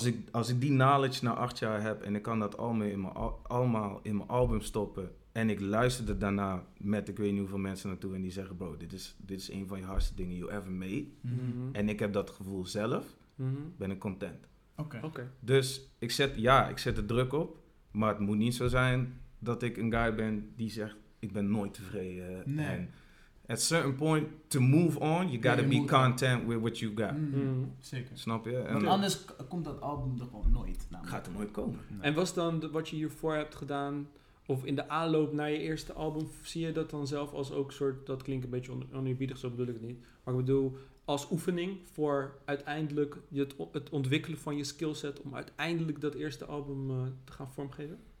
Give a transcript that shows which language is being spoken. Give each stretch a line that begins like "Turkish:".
Dutch: Als ik die knowledge na 8 jaar heb en ik kan dat allemaal in mijn album stoppen en ik luisterde daarna met ik weet niet hoeveel mensen naartoe en die zeggen, bro, dit is een van je hardste dingen you ever made. Mm-hmm. En ik heb dat gevoel zelf, ben ik content. Okay. Dus ik zet de druk op, maar het moet niet zo zijn dat ik een guy ben die zegt, ik ben nooit tevreden. Nee.
English: En at certain point, to move on, you gotta be content with what you got.
Dutch: Mm-hmm. Zeker. Snap je? En want anders komt dat album er gewoon nooit. Namelijk. Gaat er nooit komen. Nee. En was dan wat je hiervoor hebt gedaan, of in de aanloop naar je eerste album, zie je dat dan zelf als ook soort, dat klinkt een beetje oneerbiedig, zo bedoel ik het niet. Maar ik bedoel, als oefening voor uiteindelijk het ontwikkelen van je skillset om uiteindelijk dat eerste album te gaan vormgeven?